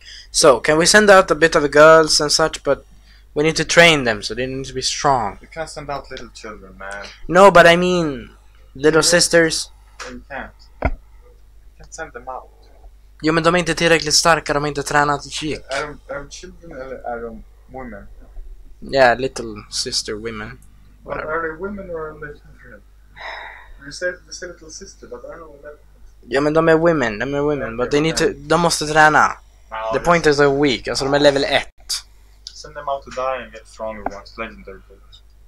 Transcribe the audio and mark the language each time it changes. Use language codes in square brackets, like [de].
[en] So, can we send out a bit of the girls and such, but we need to train them, so they need to be strong. You can't send out little children, man. No, but I mean, little sisters. You can't send them out. [sv] Jo, men de är inte tillräckligt starka, de har inte tränat gick. Är de children eller är de women? [en] Yeah, little sister women. Whatever. But are they women or are they children? You say little sister, but I don't know what that. [sv] Jo, men de är women, okay, [en] but they need to, [sv] de måste träna. [en] The point is a weak, [sv] alltså de är [en] level 1. Send them out to die and get stronger once legendary builds.